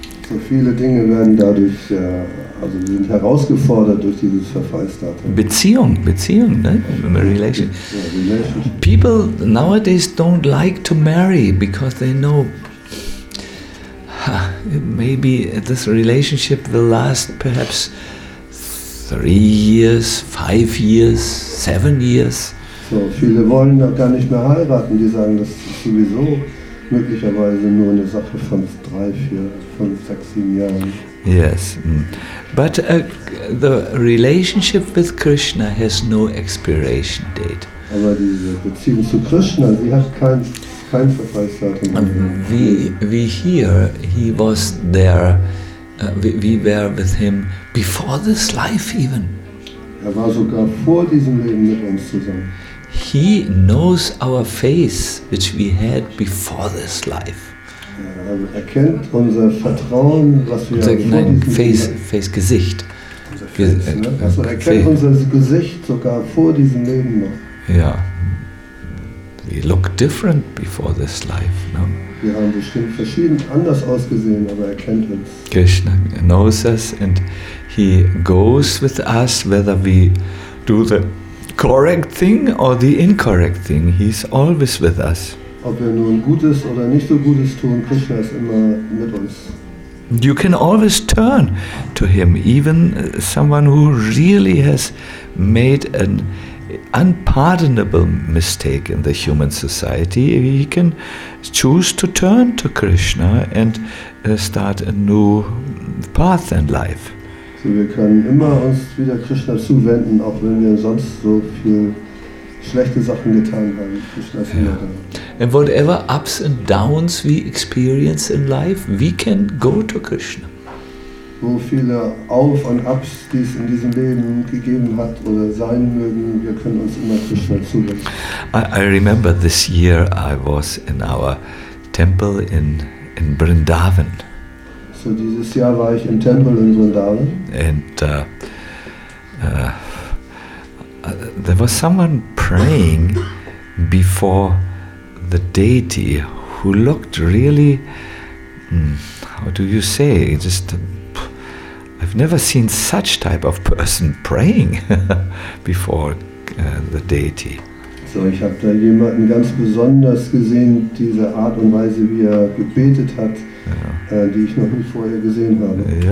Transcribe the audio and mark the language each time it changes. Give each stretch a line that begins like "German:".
German: So viele Dinge werden dadurch sind herausgefordert durch dieses Verfallsdatum. Beziehung, ne?
English: Relationship. People nowadays don't like to marry because they know maybe this relationship will last perhaps 3 years, 5 years, 7 years.
German: So viele wollen doch gar nicht mehr heiraten. Die sagen, das ist sowieso möglicherweise nur eine Sache von 3, 4, 5, 6, 7 Jahren.
English: Yes, but the relationship with Krishna has no expiration date.
German: Aber diese Beziehung zu Krishna, sie hat kein Verfallsdatum.
English: We hear he was there. We were with him before this life even.
German: Er war sogar vor diesem Leben mit uns zusammen.
English: He knows our face, which we had before this life.
German: Er kennt unser Vertrauen, was wir vor diesem Leben
English: face, Gesicht.
German: Er kennt unser Gesicht sogar vor diesem Leben noch. Ja.
English: We look different before this life, no?
German: Wir haben bestimmt verschieden anders ausgesehen, aber er kennt uns.
English: Krishna knows us and he goes with us, whether we do the correct thing or the incorrect thing. He's always with us.
German: Ob wir nun Gutes oder nicht so Gutes tun, Krishna ist immer mit uns.
English: You can always turn to him, even someone who really has made an unpardonable mistake in the human society, he can choose to turn to Krishna and start a new path in life.
German: So wir können immer uns wieder Krishna zuwenden, auch wenn wir sonst so viel schlechte Sachen getan haben.
English: And whatever ups and downs we experience in life, we can go to Krishna.
German: So viele Auf und Abs, die es in diesem Leben gegeben hat oder sein mögen, wir können uns immer Krishna zuwenden.
English: I remember this year I was in our temple in Vrindavan.
German: So dieses Jahr war ich im Tempel in Vrindavan.
English: And there was someone praying before the deity who looked really, how do you say, just... I've never seen such type of person praying before the deity.
German: So, ich habe da jemanden ganz besonders gesehen, diese Art und Weise, wie er gebetet hat, die ich noch nie vorher gesehen habe.